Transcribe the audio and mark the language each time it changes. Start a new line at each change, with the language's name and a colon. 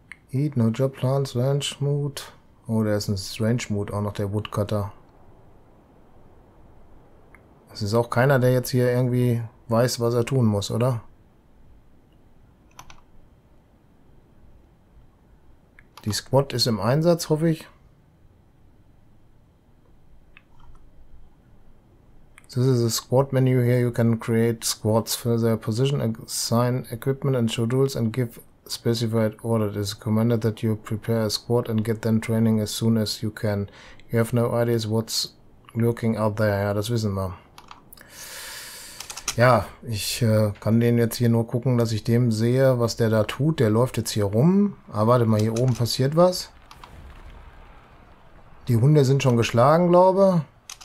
English: Eat, no job plans, Strange Mood.
German: Oh, der ist ein Strange Mood, auch noch der Woodcutter. Es ist auch keiner, der jetzt hier irgendwie weiß, was er tun muss, oder? Die Squad ist im Einsatz, hoffe ich.
English: This is a squad menu here. You can create squads for their position, assign equipment and schedules and give specified order. It is recommended that you prepare a squad and get them training as soon as you can. You have no ideas what's lurking out there.
German: Ja, das wissen wir. Ja, ich kann den jetzt hier nur gucken, dass ich dem sehe, was der da tut. Der läuft jetzt hier rum. Aber warte mal, hier oben passiert was. Die Hunde sind schon geschlagen, glaube ich.